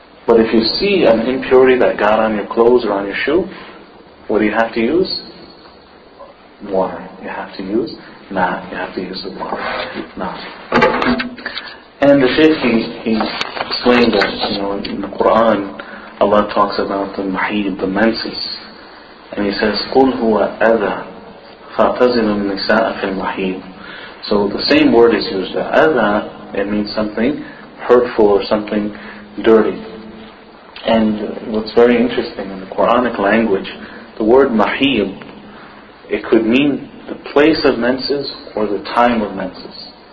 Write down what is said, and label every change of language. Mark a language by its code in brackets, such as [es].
[en] But if you see an impurity that got on your clothes or on your shoe, what do you have to use? Water. You have to use mat. You have to use the water. Mat. And the shaykh, he explained that, you know, in the Quran, Allah talks about the mahid, the menses. And he says, [ar] قُلْ هُوَ أَذَى فَاتَزِلُ النِّسَاءَ فِي الْمَحِيدِ. [en] So the same word is used. أَذَى, it means something hurtful or something dirty. And what's very interesting, in the Quranic language, the word mahib, it could mean the place of menses or the time of menses.